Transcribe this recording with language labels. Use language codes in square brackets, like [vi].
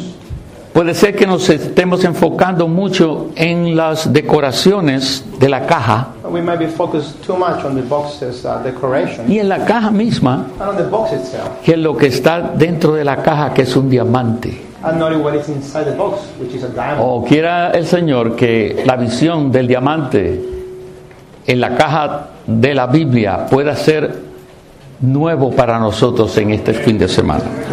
[es] Mm-hmm. Puede ser que nos estemos enfocando mucho en las decoraciones de la caja. [en] We might be focused too much on the box's decoration. [es] Y en la caja misma. [en] And on the box itself. [es] Que es lo que está dentro de la caja, que es un diamante. [en] And not what is inside the box, which is a diamond. [es] O quiera el Señor que la visión del diamante en la caja de la Biblia pueda ser nuevo para nosotros en este fin de semana.